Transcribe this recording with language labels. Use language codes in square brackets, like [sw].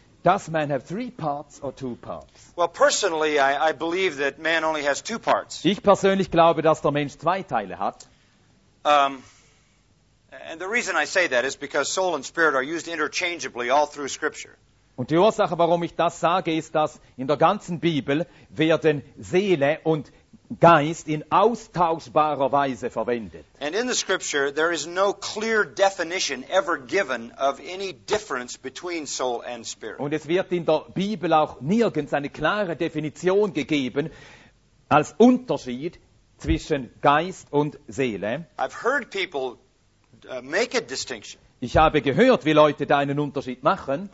[en] Does man have three parts or two parts? Well, personally, I believe that man only has two parts. [de] Ich persönlich glaube, dass der Mensch zwei Teile hat. [en] And the reason I say that is because soul and spirit are used interchangeably all through Scripture. [de] Und die Ursache, warum ich das sage, ist, dass in der ganzen Bibel werden Seele und Geist in austauschbarer Weise verwendet. [en] And in the Scripture, there is no clear definition ever given of any difference between soul and spirit. [de] Und es wird in der Bibel auch nirgends eine klare Definition gegeben als Unterschied zwischen Geist und Seele. [en] I've heard people make a distinction. [de] Ich habe gehört, wie Leute da einen Unterschied machen.